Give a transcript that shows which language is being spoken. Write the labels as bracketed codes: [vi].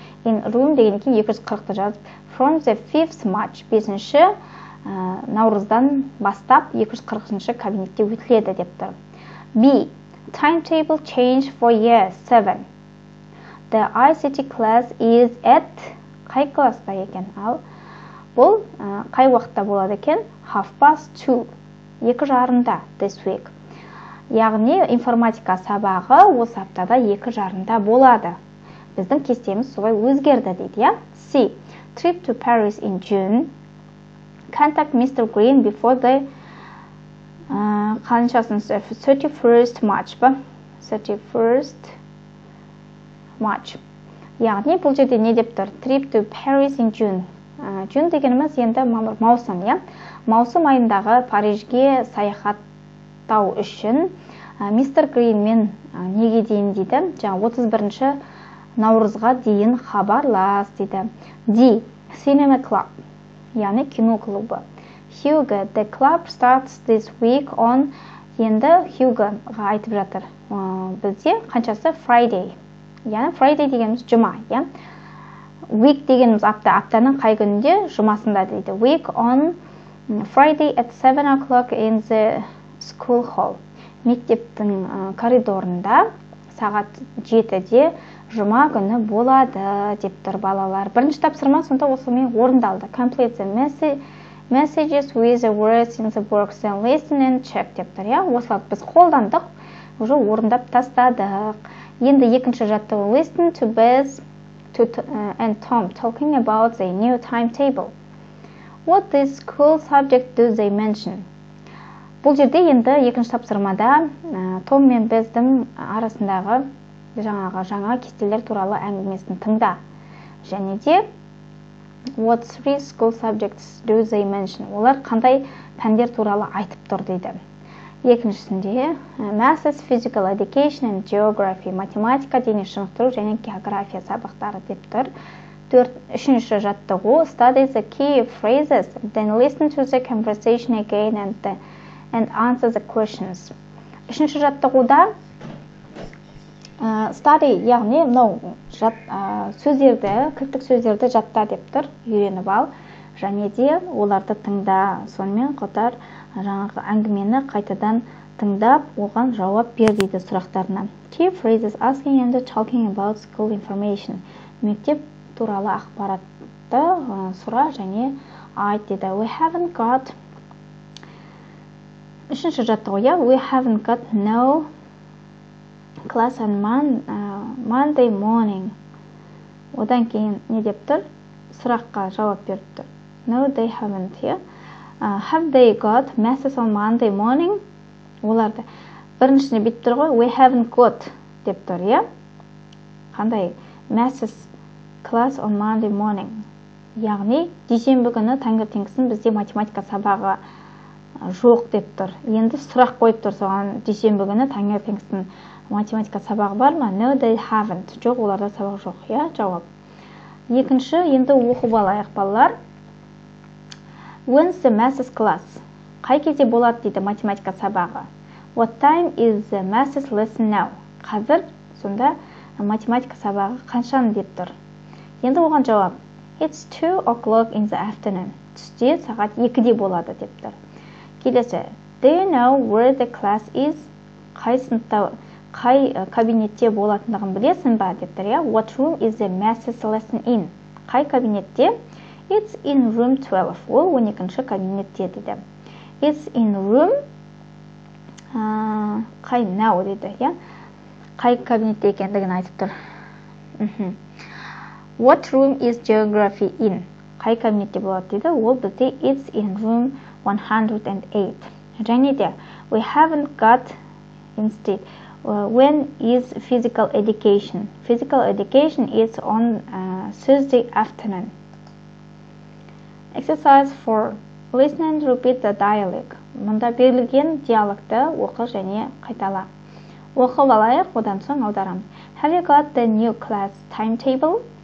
[en] In room [kk] деген екен 240-ты жазып. [en] From the 5th March, [kk] 5-ші наурыздан бастап 240-ші кабинетте өтіледі деп тұр. [en] B. Timetable change for year 7. The ICT class is at [kk] қай класта екен? Ал, бұл қай уақытта болады екен? [en] 2:30. 2:30 this week. [kk] Яғни информатика сабағы осы аптада 2:30 болады. Біздің кестеміз солай өзгерді дейді, иә? [en] C. Trip to Paris in June. Contact Mr. Green before the 31st March. 31st March. [kk] Яғни бұл жерде не деп тұр? [en] Trip to Paris in June. [kk] June дегеніміз енді мамыр, маусым, иә? Маусым айындағы Парижге саяхаттау үшін Mr. Green мен неге дейін дейді? Жаңа 31-ші наурызға дейін хабарлас дейді. [en] D. Cinema club. [kk] Яғни кино клубы. [en] Hugo, the club starts this week on. [kk] Енді Hugo-ға айтып жатыр. Бізде қаншасы? Friday. Яғни Friday дегеніміз жұма, иә? Week дегеніміз апта, аптаның қай күнінде? Жұмасында дейді. [en] Week on Friday at 7:00 in the school hall. [kk] Мектептің коридорында сағат 7-де жұма күні болады деп тұр балалар. Бірінші тапсырма сонда осымен орындалды. [en] Complete the messages with the words in the box and listen and check [kk] деп тұр. [en] Я? [kk] Осы біз қолдандық, уже орындап тастадық. Енді екінші жаттығы [en] listen to Beth and Tom talking about the new timetable. What this school subject do they mention? [kk] Бұл жерде енді екінші тапсырмада Том мен Бездің арасындағы жаңағы жаңа кестелер туралы әңгімесін тыңда. Және де [en] what three school subjects do they mention? [kk] Олар қандай пәндер туралы айтып тұр дейді. Екіншісінде [en] Maths, Physical Education and Geography, [kk] математика, дене шынықтыру және география сабақтары деп тұр. Үшінші жаттығу [en] study the key phrases, then listen to the conversation again and answer the questions. [kk] Үшінші жаттығуда study, яғни мынау сөздерді, кілттік сөздерді жатта деп тұр, үйреніп ал. Және де оларды тыңда, сонымен қатар жаңағы әңгімені қайтадан тыңдап, оған жауап бер дейді сұрақтарына. [en] Key phrases asking and talking about school information. [kk] Мектеп туралы ақпаратты сұра және айт дейді. [en] We haven't got. [kk] Үшінші жаттығу, иә? [en] We haven't got no class on Monday morning. [kk] Одан кейін не деп тұр? Сұраққа жауап беріп тұр. [en] No, they haven't, иә? Have they got masses on Monday morning? [kk] Оларды біріншіне бейтіп тұр ғой. [en] We haven't got [kk] деп тұр, иә? [en] Қандай masses class on Monday morning? [kk] Яғни, дүйсенбі күні таңертеңгісін бізде математика сабағы жоқ деп тұр. Енді сұрақ қойып тұр соған, дүйсенбі күні таңертеңгісін математика сабағы бар ма? [en] No, they haven't. [kk] Жоқ, оларда сабақ жоқ, иә? Жауап. Екінші, енді оқып алайық балалар. [en] When's the maths class? [kk] Қай кезде болады дейді математика сабағы? [en] What time is the maths lesson now? [kk] Қазір сонда математика сабағы қаншаны деп тұр? Енді оған жауап. [en] It's 2:00 in the afternoon. [kk] Түсте сағат 2:00 болады деп тұр. Келесі. [en] Do you know where the class is? [kk] Қай сыныпта, қай кабинетте болатындығын білесің ба деп тұр, иә? [en] What room is the maths lesson in? [kk] Қай кабинетте? [en] It's in room 12. [kk] Ол 12-ші кабинетте деді. [en] It's in room. [kk] Қай now деді, иә? Қай кабинетте екендігін айтып тұр. [en] What room is geography in? [kk] Қай кабинетте болады деді? Ол бізде [en] it's in room 108. [kk] Және де, [en] we haven't got instead. When is physical education? Physical education is on Thursday afternoon. Exercise 4. Listen and repeat the dialogue. [kk] Мұнда берілген диалогты оқы және қайтала. Оқы алайық, одан соң аударамыз. [en] Have you got the new class timetable?